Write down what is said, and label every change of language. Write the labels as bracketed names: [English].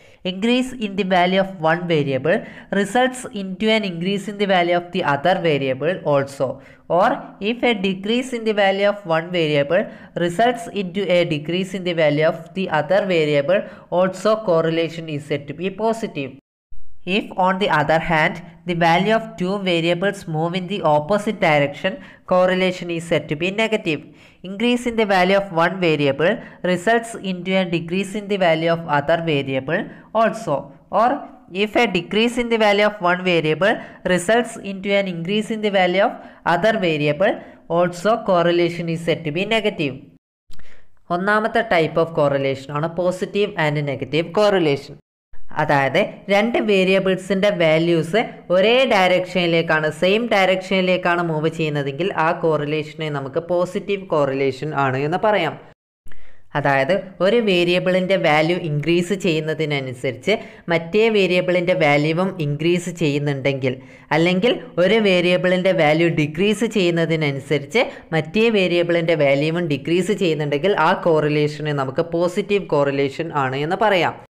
[English] Increase in the value of one variable results into an increase in the value of the other variable also. Or if a decrease in the value of one variable results into a decrease in the value of the other variable also correlation is said to be positive. If on the other hand, the value of two variables move in the opposite direction, correlation is said to be negative. Increase in the value of one variable results into a decrease in the value of other variable also. Or if a decrease in the value of one variable results into an increase in the value of other variable also, correlation is said to be negative. ഒന്നാമത്തെ type of correlation ആണ് positive and negative correlation. [Malayalam] അതായത് രണ്ട് വേരിയബിൾസിൻ്റെ values ഒരേ ഡയറക്ഷനിലേക്കാണ്, same ഡയറക്ഷനിലേക്കാണ് move ചെയ്യുന്നതെങ്കിൽ ആ കോറിലേഷനെ നമുക്ക് positive correlation ആണ് എന്ന് പറയാം. അതായത് ഒരു വേരിയബിളിൻ്റെ വാല്യൂ ഇൻക്രീസ് ചെയ്യുന്നതിനനുസരിച്ച് മറ്റേ വേരിയബിളിൻ്റെ വാല്യൂവും ഇൻക്രീസ് ചെയ്യുന്നുണ്ടെങ്കിൽ, അല്ലെങ്കിൽ ഒരു വേരിയബിളിൻ്റെ വാല്യൂ ഡിക്രീസ് ചെയ്യുന്നതിനനുസരിച്ച് മറ്റേ വേരിയബിളിൻ്റെ വാല്യൂവും ഡിക്രീസ് ചെയ്യുന്നുണ്ടെങ്കിൽ ആ കോറിലേഷനെ നമുക്ക് പോസിറ്റീവ് കോറിലേഷൻ ആണ് എന്ന് പറയാം.